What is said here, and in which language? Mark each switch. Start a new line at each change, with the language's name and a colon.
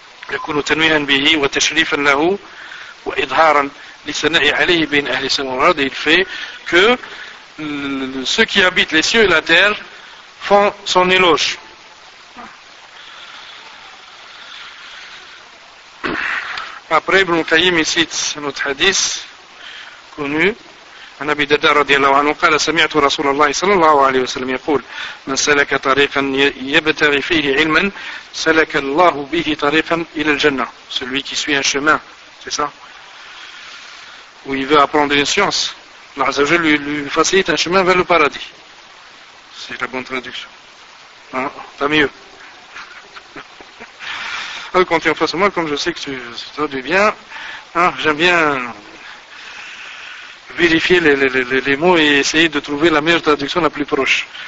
Arabic: يكون تنويعا به وتشريفا له وإظهارا لثناء عليه بين أهل السماء والأرض.
French: Il fait que ceux qui habitent les cieux et la terre font son éloge. Après, Ibn Qayyim cite un autre hadith connu.
Arabic: عن أبي الدرداء رضي الله عنه قال سمعت رسول الله صلى الله عليه وسلم يقول من سلك طريقا يبتغي فيه علما سلك الله به طريقا إلى الجنة.
French: Celui qui suit un chemin, c'est ça, où il veut apprendre une science, Allah Azza wa Jalla lui facilite un chemin vers le paradis. C'est la bonne traduction. Hein? T'as mieux. Alors, quand tu es en face de moi, comme je sais que tu traduis bien, hein, j'aime bien vérifier les mots et essayer de trouver la meilleure traduction la plus proche.